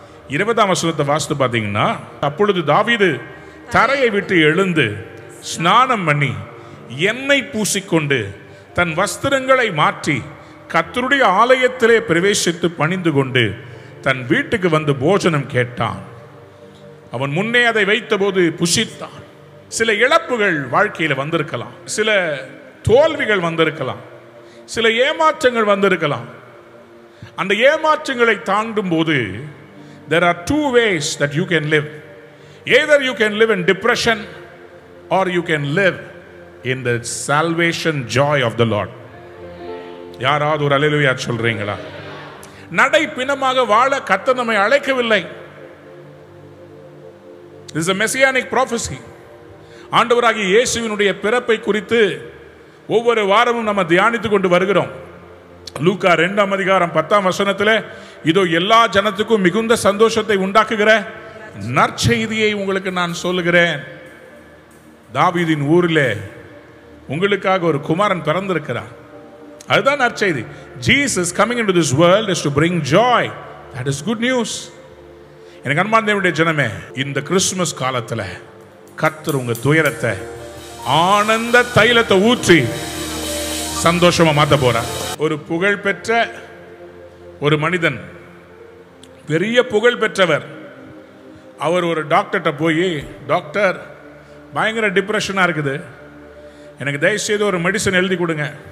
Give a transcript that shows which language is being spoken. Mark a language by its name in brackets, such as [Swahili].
[Tamil] 2 Samuel 12:20 வாசித்து பார்த்தீங்கன்னா, அப்பொழுது தாவீது தரையை விட்டு எழுந்து ஸ்நானம் பண்ணி எண்ணெய் பூசிக்கொண்டு தன் வஸ்திரங்களை மாற்றி கர்த்தருடைய ஆலயத்திலே பிரவேசித்து பணிந்து கொண்டு தன் வீட்டுக்கு வந்து போஜனம் கேட்டான். அவன் முன்னே அதை வைத்த போது புசித்தான். சில இழப்புகள் வாழ்க்கையில் வந்திருக்கலாம், சில தோல்விகள் வந்திருக்கலாம், சில ஏமாற்றங்கள் வந்திருக்கலாம். அந்த ஏமாற்றங்களை தாண்டும் போது [English] there are two ways that you can live. Either you can live in depression or you can live in the salvation joy of the Lord. [Tamil] யாராவது ஒரு அல்லேலூயா சொல்றீங்களா? நடை பிணமாக வாழ கர்த்தர் நம்மை அழைக்கவில்லை. [English] This is a messianic prophecy. [Tamil] ஆண்டவராகிய இயேசுவினுடைய பிறப்பை குறித்து ஒவ்வொரு வாரமும் நம்ம தியானித்துக் கொண்டு வருகிறோம். லூக்கா 2:10 இதோ எல்லா ஜனத்துக்கும் மிகுந்த சந்தோஷத்தை உண்டாக்குகிற நற்செய்தியை உங்களுக்கு நான் சொல்லுகிறேன். தாவீதின் ஊரிலே உங்களுக்காக ஒரு குமாரன் பிறந்திருக்கிறார், அதுதான் நற்செய்தி. [English] Jesus coming into this world is to bring joy. That is good news. [Tamil] எனக்கு அன்பான தேவனுடைய ஜனமே, இந்த கிறிஸ்துமஸ் காலத்தில் கர்த்தர் உங்க துயரத்தை ஆனந்த தைலத்தை ஊற்றி சந்தோஷமா மாற்ற போறார். ஒரு புகழ்பெற்ற ஒரு மனிதன், பெரிய புகழ் பெற்றவர், அவர் ஒரு டாக்டர்கிட்ட போய், டாக்டர் பயங்கர டிப்ரெஷனாக இருக்குது, எனக்கு தயவுசெய்து ஒரு மெடிசன் எழுதி கொடுங்க.